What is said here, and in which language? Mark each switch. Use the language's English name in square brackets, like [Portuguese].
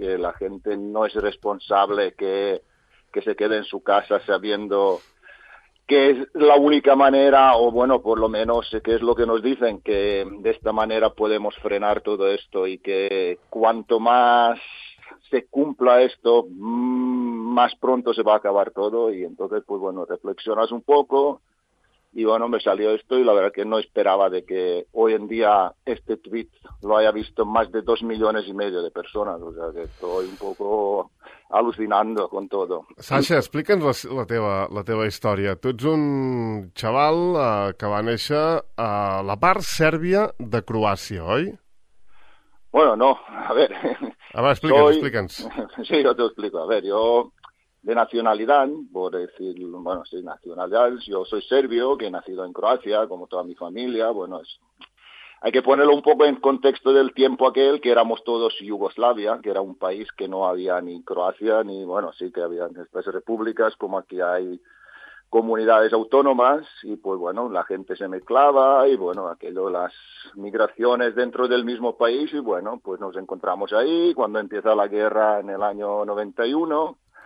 [Spanish] Que la gente no es responsable que se quede en su casa sabiendo que es la única manera, o bueno, por lo menos que es lo que nos dicen, que de esta manera podemos frenar todo esto y que cuanto más se cumpla esto, más pronto se va a acabar todo. Y entonces, pues bueno, reflexionas un poco y bueno, me salió esto y la verdad que no esperaba de que hoy en día este tweet lo haya visto más de 2,5 millones de personas. O sea, que estoy un poco alucinando con todo. [Catalan] Saša, explica'ns la teva història. Tu ets un xaval que va néixer a la part sèrbia de Croàcia, oi? [Spanish] Bueno, no, a ver. A ver, [Catalan] explica'ns. [Spanish] Sí, yo te explico. A ver, yo de nacionalidad, por decir, bueno, sí, nacionalidad, yo soy serbio, que he nacido en Croacia, como toda mi familia. Bueno, hay que ponerlo un poco en contexto del tiempo aquel, que éramos todos Yugoslavia, que era un país que no había ni Croacia, ni, bueno, sí que había estas repúblicas, como aquí hay comunidades autónomas, y pues bueno, la gente se mezclaba, y bueno, aquello, las migraciones dentro del mismo país, y bueno, pues nos encontramos ahí, cuando empieza la guerra en el año 91,